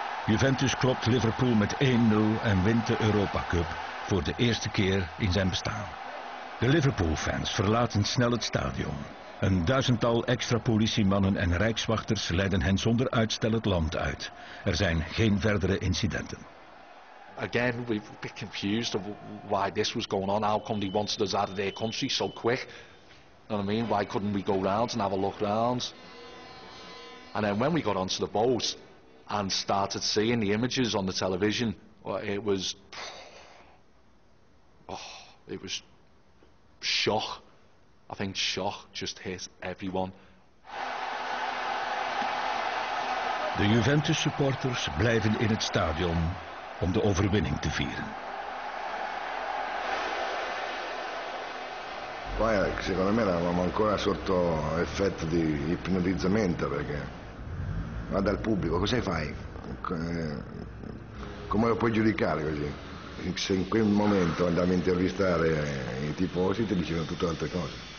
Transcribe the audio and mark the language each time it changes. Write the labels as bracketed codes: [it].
[nl] Juventus klopt Liverpool met 1-0 en wint de Europa Cup voor de eerste keer in zijn bestaan. De Liverpool-fans verlaten snel het stadion. Een 1000-tal extra politiemannen en rijkswachters leiden hen zonder uitstel het land uit. Er zijn geen verdere incidenten. [en] Again, we've been confused of why this was going on. How come they wanted us out of their country so quick? You know what I mean? Why couldn't we go round and have a look round? And then when we got onto the boat and started seeing the images on the television, it was, oh, It was shock. I think shock just hit everyone. [nl] De Juventus supporters blijven in het stadion om de overwinning te vieren. [it] Poi secondo me eravamo ancora sotto effetto di ipnotizzamento, perché va dal pubblico, cosa fai? Come lo puoi giudicare così? Se in quel momento andavi a intervistare i tifosi ti dicevano tutte altre cose.